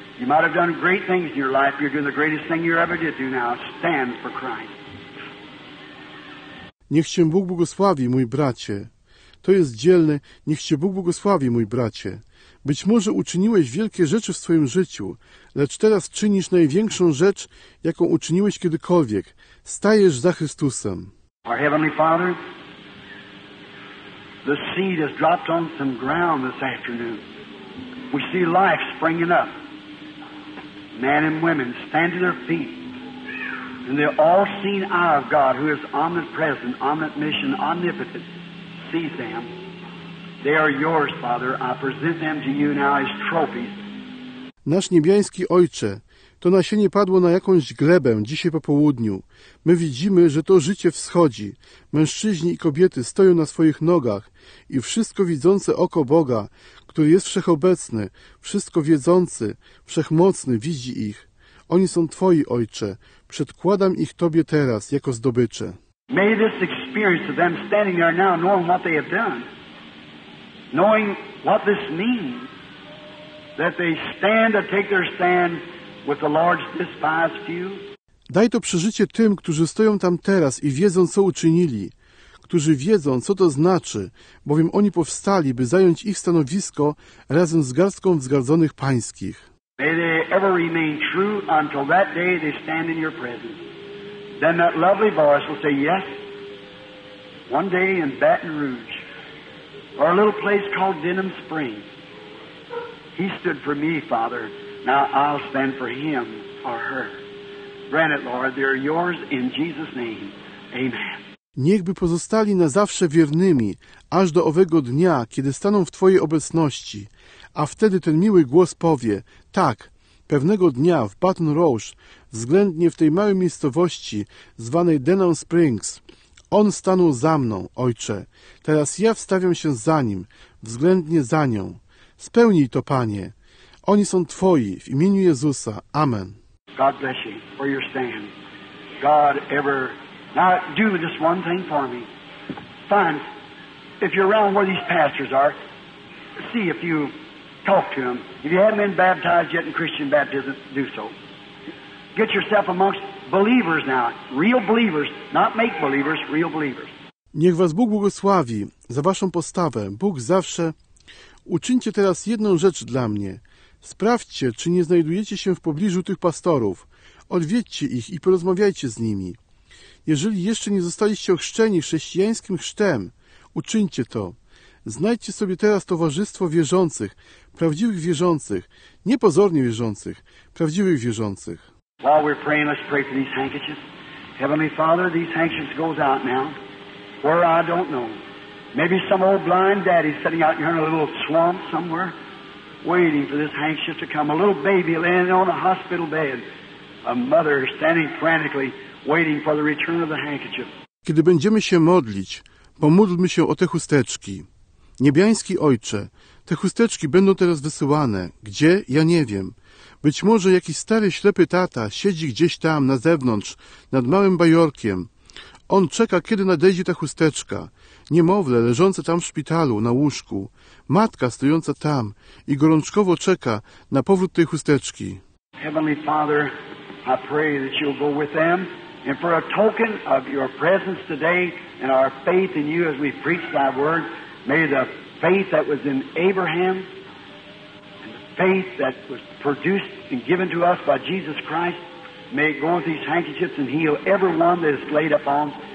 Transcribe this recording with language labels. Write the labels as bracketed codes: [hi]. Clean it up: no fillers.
[en] You might have done great things in your life. You're doing the greatest thing you ever did do now. Stand for Christ. [pl] Niech Cię Bóg błogosławi, mój bracie. To jest dzielne, niech Cię Bóg błogosławi, mój bracie. Być może uczyniłeś wielkie rzeczy w swoim życiu, lecz teraz czynisz największą rzecz, jaką uczyniłeś kiedykolwiek. Stajesz za Chrystusem. [en] Our Heavenly Father, the seed has dropped on some ground this afternoon. We see life springing up. men and women stand to their feet, and the all-seeing eye of God, who is omnipresent, omniscient, omnipotent, sees them. They are yours, Father. I present them to you now as trophies. [pl] Nasz niebiański Ojcze, to nasienie padło na jakąś glebę dzisiaj po południu. My widzimy, że to życie wschodzi. Mężczyźni i kobiety stoją na swoich nogach i wszystko widzące oko Boga, który jest wszechobecny, wszystko wiedzący, wszechmocny, widzi ich. Oni są Twoi, Ojcze. Przedkładam ich Tobie teraz jako zdobycze. [en] May this experience of them standing there now, knowing what they have done, knowing what this means, that they stand and take their stand with the Lord's despised few. [pl] Daj to przeżycie tym, którzy stoją tam teraz i wiedzą, co uczynili, którzy wiedzą, co to znaczy, bowiem oni powstali, by zająć ich stanowisko razem z garstką wzgardzonych pańskich. [en] May they ever remain true until that day they stand in your presence. Then that lovely voice will say, yes, one day in Baton Rouge, or a little place called Denham Springs, he stood for me, Father. Now I'll stand for him or her. Grant it, Lord, they are yours in Jesus' name. Amen. [pl] Niechby pozostali na zawsze wiernymi, aż do owego dnia, kiedy staną w Twojej obecności. A wtedy ten miły głos powie, tak, pewnego dnia w Baton Rouge, względnie w tej małej miejscowości zwanej Denham Springs, on stanął za mną, Ojcze. Teraz ja wstawiam się za nim, względnie za nią. Spełnij to, Panie. Oni są Twoi, w imieniu Jezusa. Amen. [en] God bless you for your stand. God ever... Now, do this one thing for me. Fine. If you're around where these pastors are, see if you talk to them. If you haven't been baptized yet in Christian baptism, do so. Get yourself amongst believers now. Real believers, not make believers, real believers. [pl] Niech was Bóg błogosławi za waszą postawę. Bóg zawsze... Uczyńcie teraz jedną rzecz dla mnie. Sprawdźcie, czy nie znajdujecie się w pobliżu tych pastorów. Odwiedźcie ich i porozmawiajcie z nimi. Jeżeli jeszcze nie zostaliście ochrzczeni chrześcijańskim chrztem, uczyńcie to. Znajdźcie sobie teraz towarzystwo wierzących, prawdziwych wierzących, nie pozornie wierzących, prawdziwych wierzących. [en] While we're praying, let's pray for these handkerchiefs. Heavenly Father, these handkerchiefs go out now, where I don't know. Maybe some old blind daddy sitting out here in a little swamp somewhere, waiting for this handkerchief to come. A little baby laying on a hospital bed. A mother standing frantically, waiting for the return of the handkerchief. [pl] Kiedy będziemy się modlić, pomódlmy się o te chusteczki. Niebiański Ojcze, te chusteczki będą teraz wysyłane. Gdzie? Ja nie wiem. Być może jakiś stary, ślepy tata siedzi gdzieś tam, na zewnątrz, nad małym bajorkiem. On czeka, kiedy nadejdzie ta chusteczka. Niemowlę leżące tam w szpitalu, na łóżku. Matka stojąca tam i gorączkowo czeka na powrót tej chusteczki. [en] Heavenly Father, I pray that you'll go with them and for a token of your presence today and our faith in you as we preach thy word, may the faith that was in Abraham and the faith that was produced and given to us by Jesus Christ, may it go with these handkerchiefs and heal everyone that is laid upon.